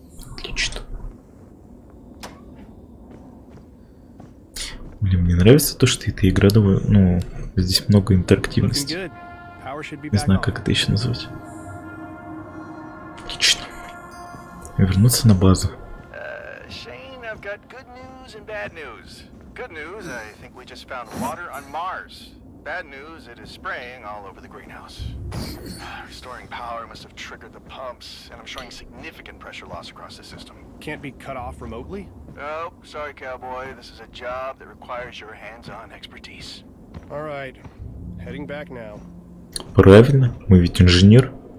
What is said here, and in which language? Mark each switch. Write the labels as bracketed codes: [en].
[ru] Отлично. Блин, мне нравится то, что эта игра довольно, ну, здесь много интерактивности. Не знаю, как это еще назвать. Отлично. Вернуться на базу. [en] Shane, I've got good news and bad news. Good news, I think we just found water on Mars. Bad news, it is spraying all over the greenhouse. Restoring power must have triggered the pumps, and I'm showing significant pressure loss across the system. Can't be cut off remotely? Oh, sorry, cowboy. This is a job that requires your hands-on expertise. All right. Heading back now. [ru] Правильно, мы ведь инженер.